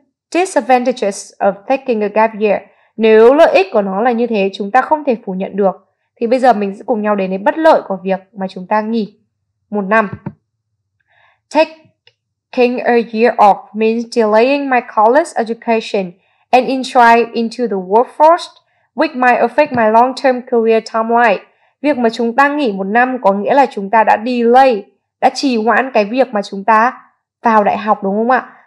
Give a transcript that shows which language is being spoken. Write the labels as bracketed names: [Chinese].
[English] Disadvantages of taking a gap year. [Vietnamese] Nếu lợi ích của nó là như thế, chúng ta không thể phủ nhận được. Thì bây giờ mình sẽ cùng nhau đến với bất lợi của việc mà chúng ta nghỉ một năm. [English] Taking a year off means delaying my college education and entry into the workforce, which might affect my long-term career timeline. [Vietnamese] Việc mà chúng ta nghỉ một năm có nghĩa là chúng ta đã delay, đã trì hoãn cái việc mà chúng ta vào đại học, đúng không ạ?